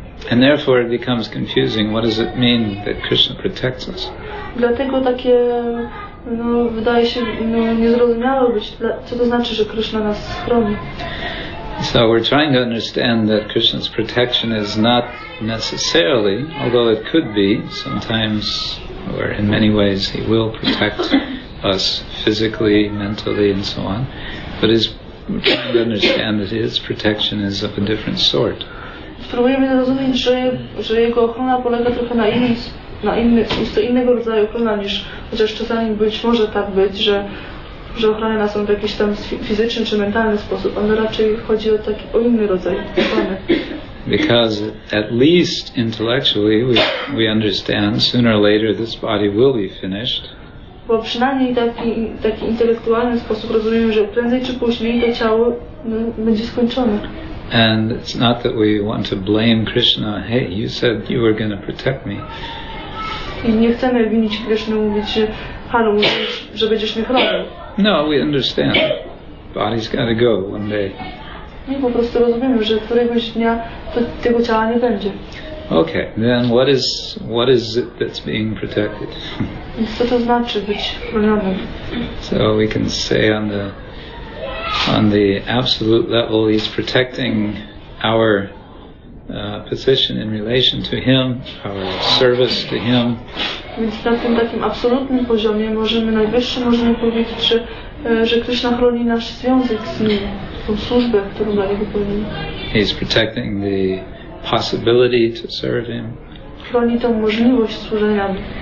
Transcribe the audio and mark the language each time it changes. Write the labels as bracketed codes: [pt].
[en] And therefore it becomes confusing. What does it mean that Krishna protects us? [pl] Dlatego takie wydaje się niezrozumiałe być, co to znaczy, że Krishna nas chroni. [en] So we're trying to understand that Krishna's protection is not necessarily, although it could be, sometimes or in many ways he will protect us physically, mentally and so on, but we're trying to understand that his protection is of a different sort. [pl] Spróbujemy zrozumieć, że jego ochrona polega trochę na innym. Jest to innego rodzaju ochrona niż, chociaż czasami być może tak być, że ochrania nas są w jakiś tam fizyczny czy mentalny sposób, ale raczej chodzi o taki o inny rodzaj ochrony. [en] Because at least intellectually we understand sooner or later this body will be finished. [pl] Bo przynajmniej taki intelektualny sposób rozumiem, że prędzej czy później to ciało będzie skończone. [en] And it's not that we want to blame Krishna, hey, you said you were going to protect me. [pl] I nie chcemy winić Krishna, mówić, halo, że będziesz mnie chronił. [en] No, we understand. Body's gotta go one day. [pl] Nie, po prostu rozumiemy, że któregoś dnia tego ciała nie będzie. [en] Okay, then what is it that's being protected? [pl] Co to znaczy być chronionym? [en] So we can say on the absolute level, he's protecting our position in relation to him, our service to him. [pl] Więc na tym takim absolutnym poziomie możemy najwyższym możemy powiedzieć, że Krishna chroni nasz związek z nim, tą służbę, którą dla niego pełnimy. [en] He's protecting the possibility to serve him. [pl] Chroni tą możliwość służenia.